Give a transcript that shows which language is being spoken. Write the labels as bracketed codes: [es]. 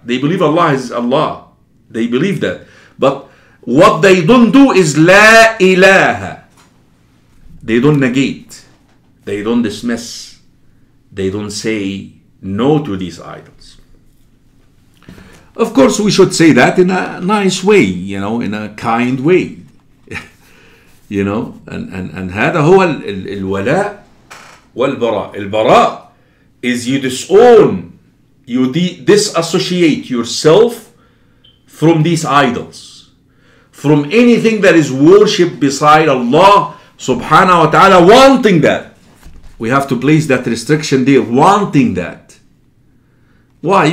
[en] They believe Allah is Allah. They believe that. But what they don't do is La ilaha. They don't negate. They don't dismiss. They don't say no to these idols. Of course, we should say that in a nice way, you know, in a kind way. You know, and [ar] هذا هو الولاء والبراء. [en] البراء is you disown, you disassociate yourself from these idols, from anything that is worshipped beside Allah subhanahu wa ta'ala, wanting that. We have to place that restriction there, wanting that. Why?